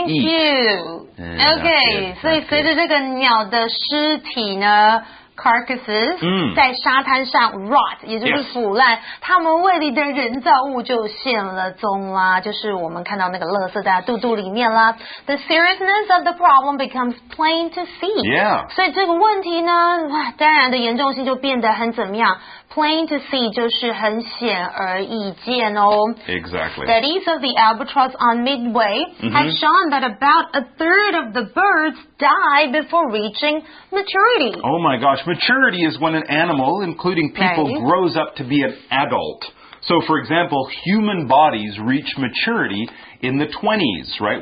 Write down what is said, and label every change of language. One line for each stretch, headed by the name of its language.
English: eat. Thank you. Okay, so
Chinese: 随着这个鸟的尸体呢carcasses, 在沙滩上 rot, 也就是腐烂，他们胃里的人造物就现了踪啦，就是我们看到那个垃圾在肚肚里面啦。
English: The seriousness of the problem becomes plain to see. Yeah.
Chinese: 所以这个问题呢，当然的严重性就变得很怎么样。
English: Plain to see
Chinese: 就是很显而易见哦。
English: Exactly. Studies of the albatross on Midway have shown that about a third of the birds die before reaching maturity. Oh my gosh, maturity is when an animal, including people, grows up to be an adult. So for example, human bodies reach maturity in the 20s, right?